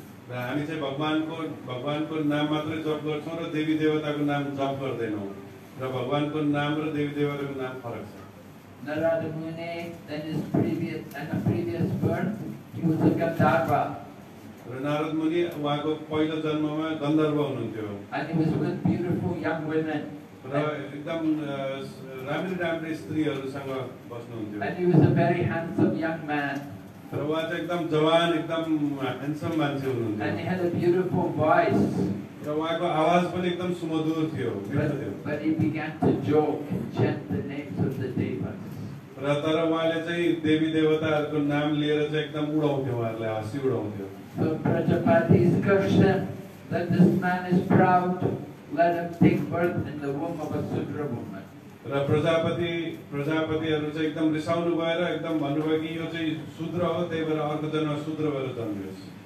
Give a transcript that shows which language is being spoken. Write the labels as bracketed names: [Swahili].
[Nepali] हामी चाहिँ भगवानको नाम मात्रै जप गर्छौँ र देवी देवताको नाम जप गर्दैनौँ र भगवानको नाम र देवी देवताको नाम फरक छ. [English] Narad Muni then his previous and a previous birth he was a Gandharva. [Nepali] र नारद मुनि उहाँको पहिलो जन्ममा गन्धर्व हुनुहुन्थ्यो. [English] And he was with beautiful young women. [Nepali] र एकदम राम्री राम्री स्त्रीहरूसँग बस्नुहुन्थ्यो. [English] And he was a very handsome young man. [Nepali] र उहाँ चाहिँ एकदम जवान एकदम ह्यान्डसम मान्छे हुनुहुन्थ्यो. [English] And he had a beautiful voice. [Nepali] र उहाँको आवाज पनि एकदम सुमधुर थियो. [English] But he began to joke and chant the names of the devas. [Nepali] र तर उहाँले चाहिँ देवी देवताहरूको नाम लिएर चाहिँ एकदम उडाउँथ्यो उहाँहरूले हाँसी उडाउँथ्यो. [English] So Prajapati is cursed that this man is proud. Let him take birth in the womb of a sudra woman. [Nepali] र प्रजापतिहरू चाहिँ एकदम रिसाउनु भएर एकदम भन्नुभयो कि यो चाहिँ शूद्र हो त्यही भएर अर्को जन्म शूद्र भएर जन्मियोस्